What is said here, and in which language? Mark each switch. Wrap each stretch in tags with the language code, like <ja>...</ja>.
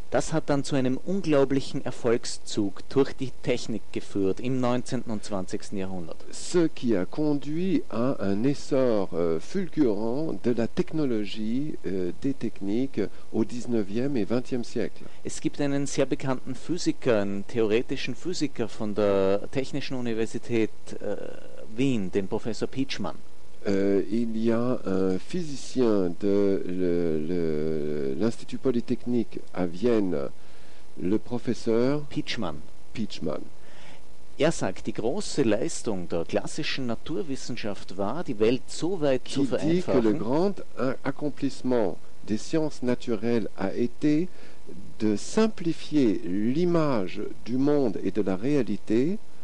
<de>Das hat dann zu einem unglaublichen Erfolgszug durch die Technik geführt im 19. und 20. Jahrhundert.</de> <fr>Ce qui a conduit à un essor fulgurant de la technologie, des techniques au 19e et 20e siècle.</fr> <de>Es gibt einen sehr bekannten Physiker, einen theoretischen Physiker von der Technischen Universität Wien, den Professor Pietschmann.</de> <fr>Il y a un physicien de l'Institut Polytechnique à Vienne, le professeur Pietschmann.</fr> <de>Er sagt, die große Leistung der klassischen Naturwissenschaft war, die Welt so weit zu vereinfachen.</de> <fr>Il dit que le grand accomplissement des sciences naturelles a été de simplifier l'image du monde et de la réalité,</fr>